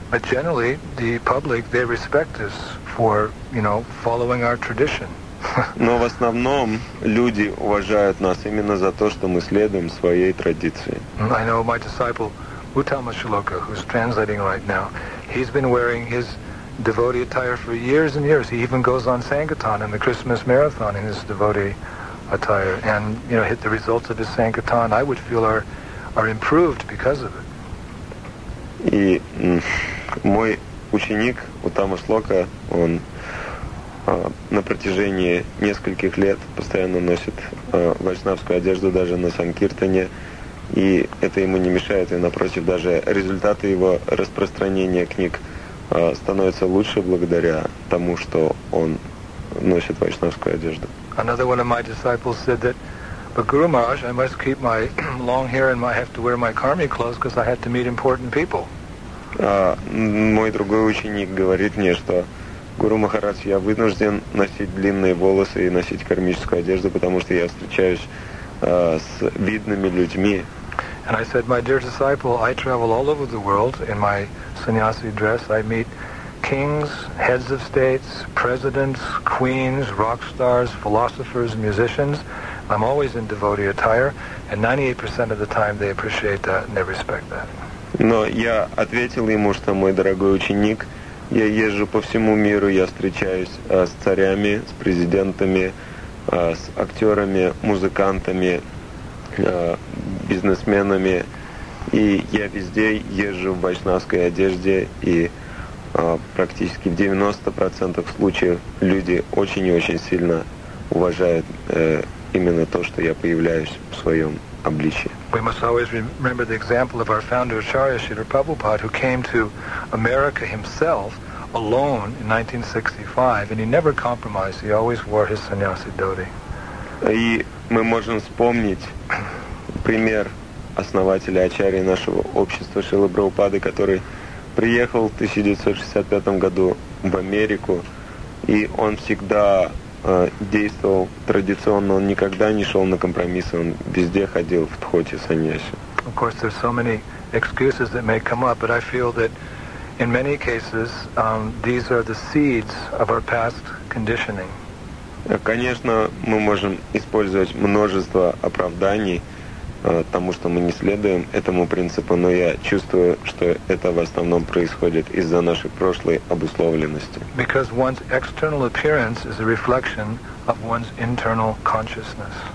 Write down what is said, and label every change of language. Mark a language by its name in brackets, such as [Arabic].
[English] But generally, the public, they respect us for, you know, following our tradition. [Russian] Но в основном люди уважают нас именно за то, что мы следуем своей традиции. [English] I know my disciple Uttama Shiloka, who's translating right now, he's been wearing his devotee attire for years and years. He even goes on Sankirtan and the Christmas marathon in his devotee attire, and, you know, hit the results of his Sankirtan, I would feel are improved because of it. [Russian] И мой ученик Уттама Шлока, он на протяжении нескольких лет постоянно носит вайшнавскую одежду даже на Санкиртане, и это ему не мешает, и напротив, даже результаты его распространения книг становятся лучше благодаря тому, что он носит вайшнавскую одежду. [English] Another one of my disciples said that, but Guru Maharaj, I must keep my long hair and I have to wear my karmic clothes because I have to meet important people. [Russian] Мой другой ученик говорит мне, что Гуру Махарадж, я вынужден носить длинные волосы и носить кармическую одежду, потому что я встречаюсь с видными людьми. [English] And I said, my dear disciple, I travel all over the world in my sannyasi dress. I meet kings, heads of states, presidents, queens, rock stars, philosophers, musicians. I'm always in devotee attire, and 98% of the time they appreciate that and they respect that. [Russian] Но я ответил ему, что мой дорогой ученик, я езжу по всему миру, я встречаюсь с царями, с президентами, с актерами, музыкантами, бизнесменами, и я везде езжу в вайшнавской одежде, и практически в 90% случаев люди очень и очень сильно уважают именно то, что я появляюсь в своем обличье. [English] We must always remember the example of our founder Acharya Śrīla Prabhupāda, who came to America himself alone in 1965, and he never compromised. He always wore his sannyasi dhoti. [Russian] И мы можем вспомнить пример основателя Ачарьи нашего общества Шрилы Прабхупады, который приехал в 1965 году в Америку, и он всегда действовал традиционно, он никогда не шел на компромиссы, он везде ходил в дхоти саньяси. [English] Of course, there's so many excuses that may come up, but I feel that in many cases, these are the seeds of our past conditioning. [Russian] Конечно, мы можем использовать множество оправданий тому, что мы не следуем этому принципу, но я чувствую, что это в основном происходит из-за нашей прошлой обусловленности. [English] Because one's external appearance is a reflection of one's internal consciousness.